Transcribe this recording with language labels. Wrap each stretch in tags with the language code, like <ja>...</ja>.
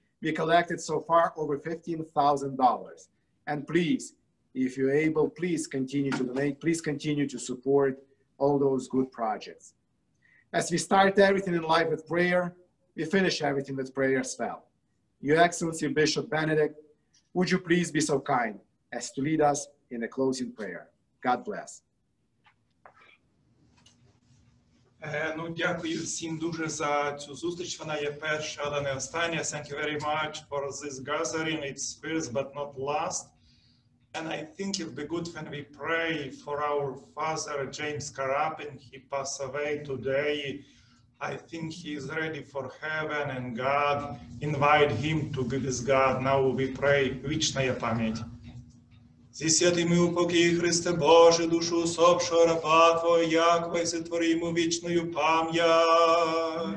<en>We collected so far over $15,000. And please, if you're able, please continue to donate, please continue to support all those good projects. As we start everything in life with prayer, we finish everything with prayer as well. Your Excellency Bishop Benedict, would you please be so kind as to lead us in a closing prayer? God bless.</en> <uk>Ну, дякую всім дуже за цю зустріч. Вона є перша, але не остання.</uk> <en>Thank you very much for this gathering. It's first but not last. And I think it'd be good when we pray for our father, James Carapin. He passed away today. I think he is ready for heaven and God invite him to be with God. Now we pray,</en> <uk>вічна пам'ять. Зі святим упокій Христе Боже, душу усопшого раба Твоя, Яхве, сотвори йому вічною пам'ять.</uk>